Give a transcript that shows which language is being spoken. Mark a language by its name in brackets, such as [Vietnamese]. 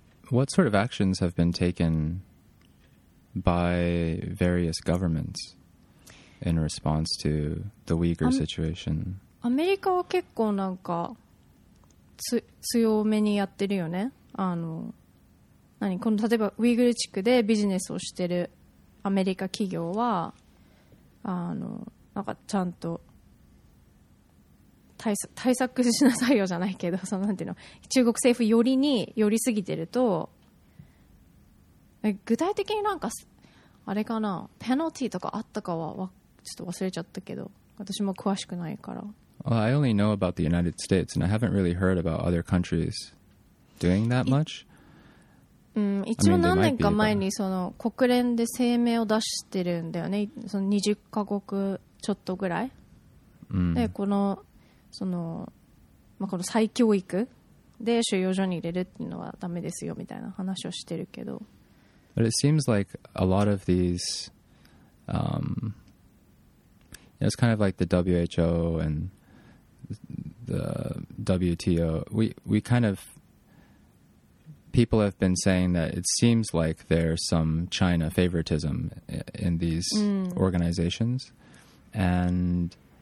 [English] What sort of actions have been taken by various governments in response to the Uyghur situation? [Japanese] アメリカは結構なんか強めにやってるよね。あの何、この例えばウイグル地区でビジネスをしてるアメリカ企業は、あのなんかちゃんと対策しなさいよじゃないけど、そのなんていうの、中国政府寄りに寄りすぎてると、具体的になんかあれかな、ペナルティとかあったかはちょっと忘れちゃったけど、私も詳しくないから。 [English] Well, I only know about the United States and I haven't really heard about other countries doing that much. [Japanese] 一応何年か前にその国連で声明を出してるんだよね、その20カ国ちょっとぐらい、でこのその、まあ、この再教育で収容所に入れるっていうのはダメですよみたいな話をしてるけど。 [English] But it seems like a lot of these it's kind of like the WHO and the WTO, we kind of people have been saying that it seems like there's some China favoritism in these organizations, and